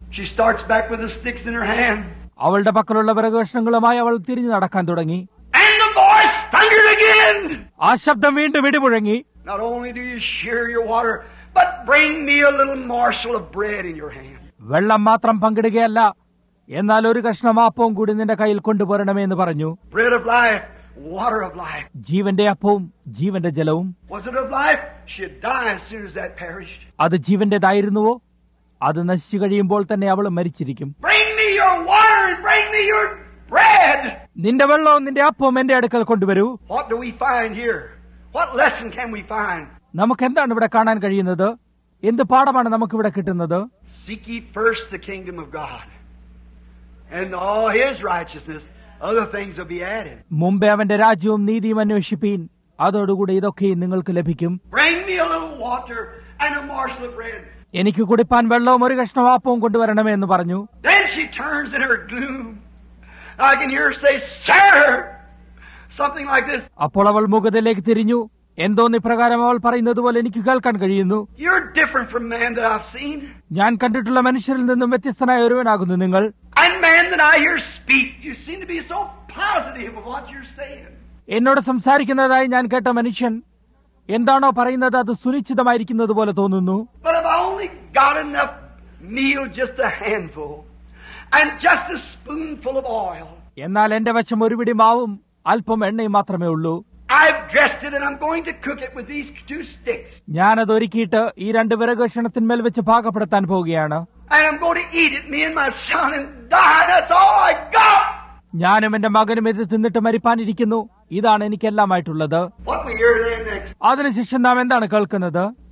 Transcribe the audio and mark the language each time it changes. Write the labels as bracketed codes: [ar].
[en] She starts back with the sticks in her hand. [ml] അവളുടെ പക്കലുള്ള വിറകുകഷ്ണങ്ങളുമായി അവൾ തിരിഞ്ഞു നടക്കാൻ തുടങ്ങി. [en] And the voice thundered again. [ml] ആ ശബ്ദം വീണ്ടും ഇടിമുഴങ്ങി. [en] Not only do you share your water, but bring me a little morsel of bread in your hand. [ml] വെള്ളം മാത്രം പങ്കിടുകയല്ല, എന്നാൽ ഒരു കഷ്ണം അപ്പവും കൂടി നിന്റെ കയ്യിൽ കൊണ്ടുവരണമേ എന്ന് പറഞ്ഞു. [en] Bread of life, water of life. [ml] ജീവന്റെ അപ്പവും ജീവന്റെ ജലവും. [en] Was it of life? She'd die as soon as that perished. [ml] അത് ജീവന്റേതായിരുന്നുവോ? അത് നശിച്ചു കഴിയുമ്പോൾ തന്നെ അവൾ മരിച്ചിരിക്കും. [en] Bring me your water, bring me your bread. [ml] നിന്റെ വെള്ളവും നിന്റെ അപ്പവും എന്റെ അടുക്കൽ കൊണ്ടുവരൂ. [en] What do we find here? What lesson can we find? [ml] നമുക്ക് എന്താണ് ഇവിടെ കാണാൻ കഴിയുന്നത്? എന്ത് പാഠമാണ് നമുക്ക് ഇവിടെ കിട്ടുന്നത്? [en] Seek ye first the kingdom of God and all his righteousness, other things will be added. [ml] മുമ്പേ അവന്റെ രാജ്യവും നീതിയും അന്വേഷിപ്പീൻ, അതോടുകൂടി ഇതൊക്കെയും നിങ്ങൾക്ക് ലഭിക്കും. [en] Bring me a little water and a morsel of bread. [ml] എനിക്ക് കുടിപ്പാൻ വെള്ളവും ഒരു കഷ്ണം ആപ്പവും കൊണ്ടുവരണമേ എന്ന് പറഞ്ഞു. [en] Then she turns in her gloom. I can hear her say, "Sir," something like this. [ml] അപ്പോൾ അവൾ മുഖത്തിലേക്ക് തിരിഞ്ഞു. എന്തോ നിപ്രകാരം അവൾ പറയുന്നത് പോലെ എനിക്ക് കേൾക്കാൻ കഴിയുന്നു. [en] You're different from man that I've seen. [ml] ഞാൻ കണ്ടിട്ടുള്ള മനുഷ്യരിൽ നിന്നും വ്യത്യസ്തനായ ഒരുവനാകുന്നു നിങ്ങൾ. [en] And man that I hear speak, you seem to be so positive of what you're saying. [ml] എന്നോട് സംസാരിക്കുന്നതായി ഞാൻ കേട്ട മനുഷ്യൻ എന്താണോ പറയുന്നത് അത് സുനിശ്ചിതമായിരിക്കുന്നത് പോലെ തോന്നുന്നു. [en] But I've only got enough meal, just a handful, and just a spoonful of oil. [ml] എന്നാൽ എന്റെ വശം ഒരു പിടി മാവും അല്പം എണ്ണയും മാത്രമേ ഉള്ളൂ. [en] I've dressed it and I'm going to cook it with these two sticks. [ml] ഞാൻ അത് ഒരുക്കിയിട്ട് ഈ രണ്ട് വിറക് കഷ്ണത്തിന്മേൽ വെച്ച് പാകപ്പെടുത്താൻ പോവുകയാണ്. [en] And I'm going to eat it, me and my son, and die. That's all I got. [ml] ഞാനും എന്റെ മകനും ഇത് തിന്നിട്ട് മരിപ്പാനിരിക്കുന്നു. ഇതാണ് എനിക്കെല്ലാമായിട്ടുള്ളത്. അതിനുശേഷം നാം എന്താണ് കേൾക്കുന്നത്?